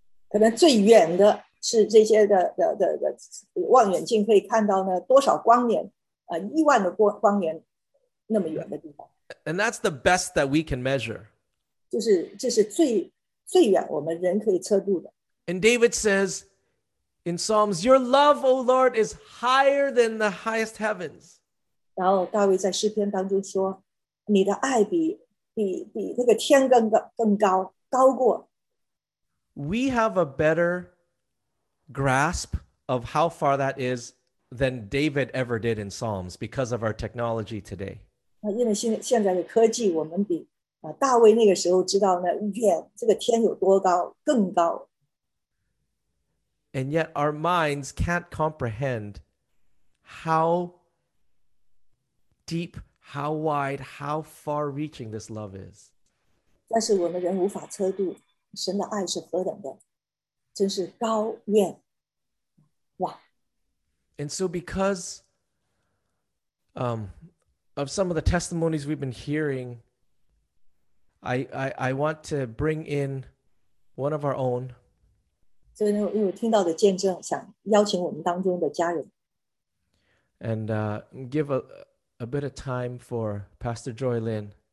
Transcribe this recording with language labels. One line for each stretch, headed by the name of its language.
Chinese: 可能最远的是这些 的望远镜可以看到呢多少光年亿万的光年那么远的地方。
English: And that's the best that we can measure.
Chinese: 就是这是最远我们人可以测度的。
English: And David says in Psalms, Your love, O Lord, is higher than the highest heavens.
Chinese: 然后大卫在诗篇当中说你的爱比那个天更高高过。
English: We have a better grasp of how far that is than David ever did in Psalms because of our technology today.
Chinese: 因为现在的科技我们比大卫那个时候知道呢远这个天有多高更高。
English: And yet our minds can't comprehend how deep, how wide, how far reaching this love is.
Chinese: 但是我们人无法测度，神的爱是何等的，真是高远。哇。
English: And so because of some of the testimonies we've been hearing, I want to bring in one of our own.
Chinese: 所以呢，因为听到的见证，想邀请我们当中的家人。
English: And give a bit of time for Pastor Joy Lin.